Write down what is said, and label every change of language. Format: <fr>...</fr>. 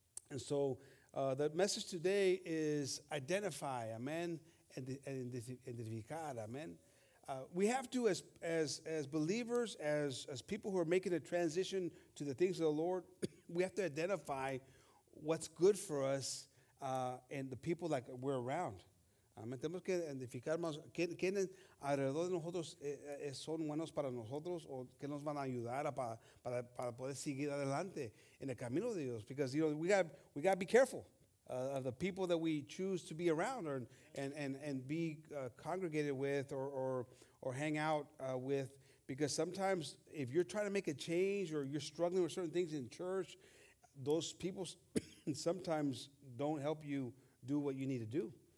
<en>And so the message today is identify, amen, and identificar, amen. We have to, as believers, as people who are making a transition to the things of the Lord, we have to identify what's good for us and the people that we're around. Amen.</en> <es>Tenemos que identificar más quién alrededor de nosotros son buenos para nosotros o qué nos van a ayudar para poder seguir adelante en el camino de Dios.</es> <en>Because, you know, we got to be careful of the people that we choose to be around or and be congregated with or hang out with. Because sometimes if you're trying to make a change or you're struggling with certain things in church, those people sometimes don't help you do what you need to do.</en>